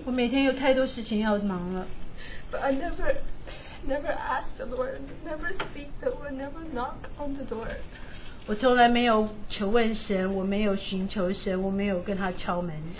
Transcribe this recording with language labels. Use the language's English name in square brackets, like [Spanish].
[Chinese] 我每天有太多事情要忙了。 [English] But I never ask the Lord, never speak the Lord, never knock on the door. [Chinese] 我从来没有求问神，我没有寻求神，我没有跟他敲门。